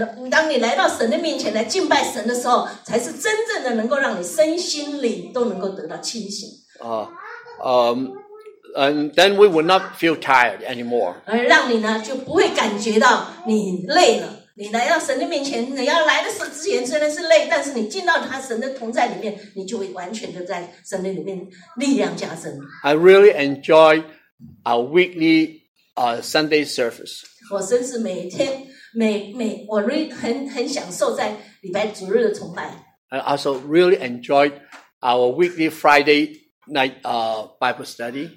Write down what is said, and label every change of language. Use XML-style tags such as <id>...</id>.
<zh>当你来到神的面前来敬拜神的时候，才是真正的能够让你身心灵都能够得到清醒。</zh> <en>And then we will not feel tired anymore.</en> <zh>而让你呢就不会感觉到你累了。你来到神的面前，你要来的之前虽然是累，但是你进到他神的同在里面，你就会完全的在神的里面力量加增。</zh> <en>I really enjoy our weekly Sunday service.</en> <zh>我甚至每天。我 很享受在礼拜主日的崇拜。</zh> <en>I also really enjoyed our weekly Friday night Bible study.</en>